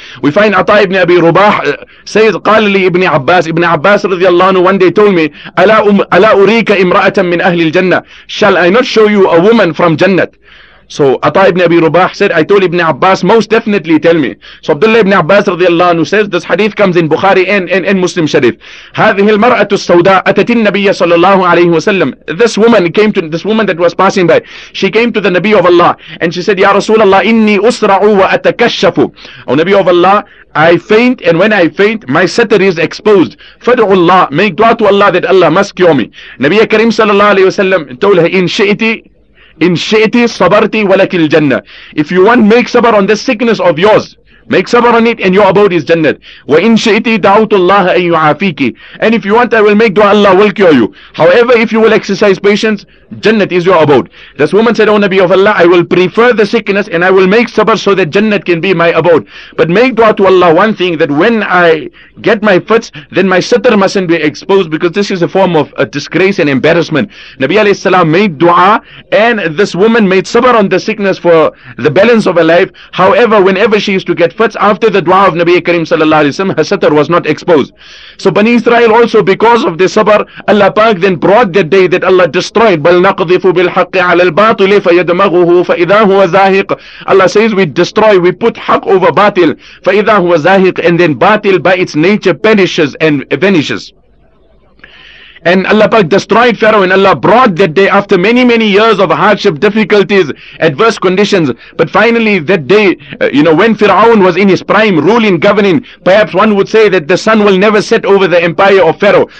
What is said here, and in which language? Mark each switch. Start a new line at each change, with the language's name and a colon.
English: We find Ata ibn Abi Rubah says,
Arabic: قال لي ابن عباس,
English: ابن عباس رضي الله عنه, one day told me,
Arabic: ألا أريك امرأة من أهل الجنة,
English: shall I not show you a woman from Jannah? So Ata ibn Abi Rubah said, I told Ibn Abbas, most definitely tell me. So Abdullah ibn Abbas radiallahu anhu says, this hadith comes in Bukhari and Muslim Sharif.
Arabic: هذه المرأة السوداء أتت النبي صلى الله عليه وسلم.
English: This woman came to, this woman that was passing by, she came to the Nabi of Allah and she said, Ya Rasulallah,
Arabic: إني أسرع وأتكشف.
English: Oh Nabi of Allah, I faint, and when I faint, my satr is exposed.
Arabic: فَدْعُ اللَّهِ,
English: make dua to Allah that Allah must cure me.
Arabic: Nabi Karim صلى الله عليه وسلم
English: told her,
Arabic: إِن شِئْتِ صَبَرْتِ وَلَكِ الْجَنَّةِ.
English: If you want, make sabr on this sickness of yours. Make sabr on it and your abode is Jannat.
Arabic: وَإِن شِئْتِ دَعُوتُ اللَّهَ أَن يُعَافِيكِ.
English: And if you want, I will make dua, Allah will cure you. However, if you will exercise patience, Jannat is your abode. This woman said, O Nabi of Allah, I will prefer the sickness and I will make sabr so that Jannat can be my abode. But make dua to Allah one thing, that when I get my fits, then my satr mustn't be exposed, because this is a form of a disgrace and embarrassment. Nabi alayhi salam made dua and this woman made sabr on the sickness for the balance of her life. However, whenever she used to get fits, after the dua of Nabi Karim sallallahu alayhi wa sallam, her satr was not exposed. So Bani Israel also, because of the sabr, Allah Pak then brought the day that Allah destroyed.
Arabic: نقذف بالحق على الباطل فيدمغه فإذا هو زاهق.
English: Allah says, we destroy, we put حق over باطل
Arabic: فإذا هو زاهق,
English: and then باطل by its nature perishes and vanishes. And Allah Pak destroyed Pharaoh, and Allah brought that day after many, many years of hardship, difficulties, adverse conditions. But finally that day, you know, when Fir'aun was in his prime, ruling, governing, perhaps one would say that the sun will never set over the empire of Pharaoh.